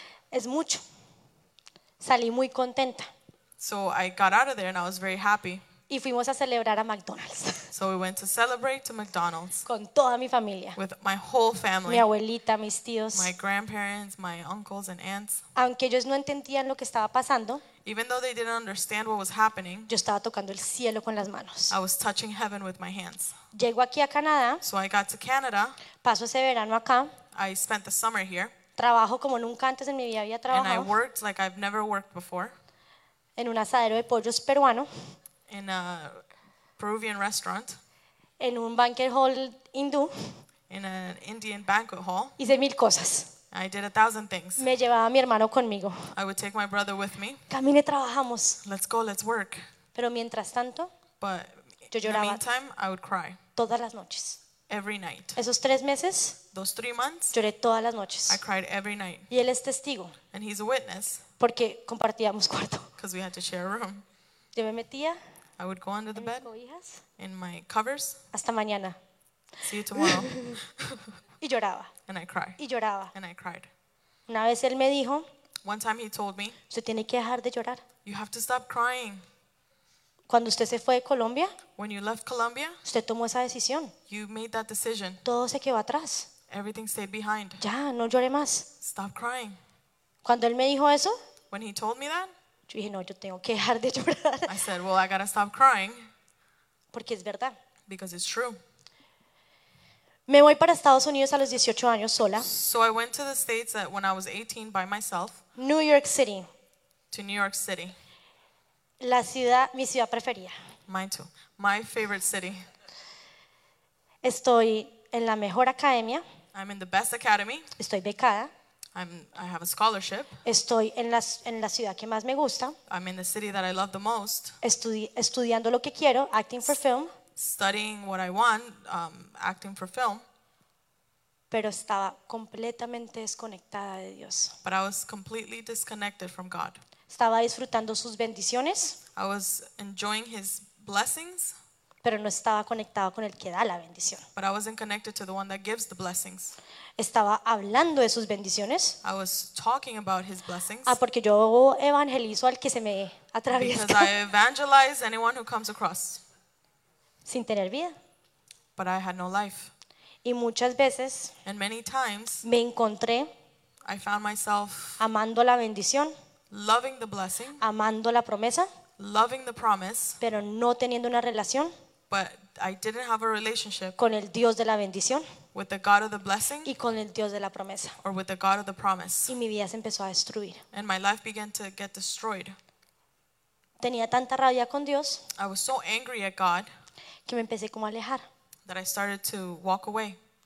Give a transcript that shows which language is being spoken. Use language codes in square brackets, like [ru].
[es] Es mucho. Salí muy contenta. [en] So I got out of there and I was very happy. [es] Y fuimos a celebrar a McDonald's. [en] So we went to celebrate to McDonald's. [es] Con toda mi familia. [en] With my whole family. [es] Mi abuelita, mis tíos. [en] My grandparents, my uncles and aunts. [es] Aunque ellos no entendían lo que estaba pasando. [en] Even though they didn't understand what was happening. [es] Yo estaba tocando el cielo con las manos. [en] I was touching heaven with my hands. [es] Llego aquí a Canadá. [en] So I got to Canada. [es] Paso ese verano acá. [en] I spent the summer here. [es] Trabajo como nunca antes en mi vida había trabajado. [en] And I worked like I've never worked before. [es] En un asadero de pollos peruano. [en] In a Peruvian restaurant. [es] En un banquet hall hindú. [en] In an Indian banquet hall. [es] Hice mil cosas. [en] I did 1,000 things. [es] Me llevaba a mi hermano conmigo. [en] I would take my brother with me. [es] Camine, trabajamos. [en] Let's go, let's work. [es] Pero mientras tanto, [en] but [es] yo lloraba. [en] In the meantime, I would cry. [es] Todas las noches. [en] Every night. [es] Esos 3 meses. [en] Those 3 months. [es] Lloré todas las noches. [en] I cried every night. [es] Y él es testigo. [en] And he's a witness. [es] Porque compartíamos cuarto. [en] Because we had to share a room. [es] Yo me metía. [en] I would go under the bed. [es] Cobijas. [en] In my covers. [es] Hasta mañana. [en] See you tomorrow. [es] Y lloraba. [en] And I cried. [es] Y lloraba. [en] And I cried. [es] Una vez él me dijo. [en] One time he told me. [es] Usted tiene que dejar de llorar. [en] You have to stop crying. [es] Cuando usted se fue de Colombia. [en] When you left Colombia. [es] Usted tomó esa decisión. [en] You made that decision. [es] Todo se quedó atrás. [en] Everything stayed behind. [es] Ya, no llore más. [en] Stop crying. [es] Cuando él me dijo eso. [en] When he told me that. [es] Yo dije, no, yo tengo que dejar de llorar. [en] I said, well, I gotta stop crying. [es] Porque es verdad. [en] Because it's true. [es] Me voy para Estados Unidos a los 18 años sola. [en] So I went to the States when I was 18 by myself. New York City. To New York City. [es] La ciudad, mi ciudad preferida. [en] Mine too. My favorite city. [es] Estoy en la mejor academia. [en] I'm in the best academy. [es] Estoy becada. [en] I have a scholarship. [es] Estoy en la ciudad que más me gusta. [en] I'm in the city that I love the most. [es] Estudiando lo que quiero, [en] acting for film. Studying what I want, acting for film. [es] Pero estaba completamente desconectada de Dios. [en] But I was completely disconnected from God. [es] Estaba disfrutando sus bendiciones. [en] I was enjoying his blessings. [es] Pero no estaba conectada con el que da la bendición. [en] But I wasn't connected to the one that gives the blessings. [es] Estaba hablando de sus bendiciones. [en] I was talking about his blessings. [es] Ah, porque yo evangelizo al que se me atraviesa. [en] Because I evangelize anyone who comes across. [es] Sin tener vida. [en] But I had no life. [es] Y muchas veces. [en] And many times. [es] Me encontré. [en] I found myself. [es] Amando la bendición. [en] Loving the blessing. [es] Amando la promesa. [en] Loving the promise. [es] Pero no teniendo una relación. [en] But I didn't have a relationship. [es] Con el Dios de la bendición. [en] With the God of the blessing. [es] Y con el Dios de la promesa. [en] Or with the God of the promise. [es] Y mi vida se empezó a destruir. [en] And my life began to get destroyed. [es] Tenía tanta rabia con Dios. [en] I was so angry at God. [es] Que me empecé como a alejar. [en] That I started to walk away.